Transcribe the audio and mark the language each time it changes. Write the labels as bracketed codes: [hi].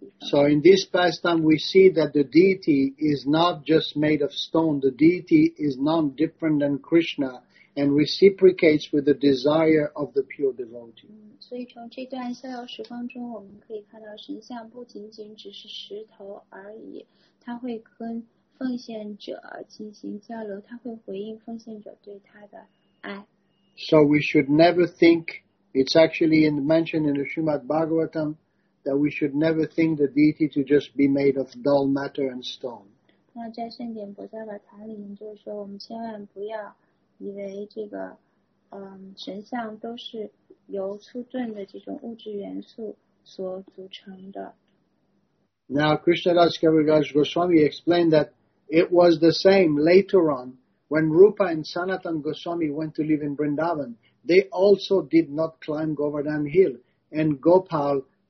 [en] So in this pastime, we see that the deity is not just made of stone. The deity is none different than Krishna and reciprocates with the desire of the pure devotee. [zh] 所以从这段逍遥时光中，我们可以看到神像不仅仅只是石头而已，它会跟奉献者进行交流，它会回应奉献者对它的爱。 [en] So we should never think it's actually mentioned in the Srimad Bhagavatam. That we should never think the deity to just be made of dull matter and stone. [zh] 那在圣典菩萨法坛里面，就是说，我们千万不要以为这个，神像都是由粗钝的这种物质元素所组成的。 [en] Now, Krishnadas Kaviraj Goswami explained that it was the same later on when Rupa and Sanatan Goswami went to live in Vrindavan. They also did not climb Govardhan Hill, and Gopal.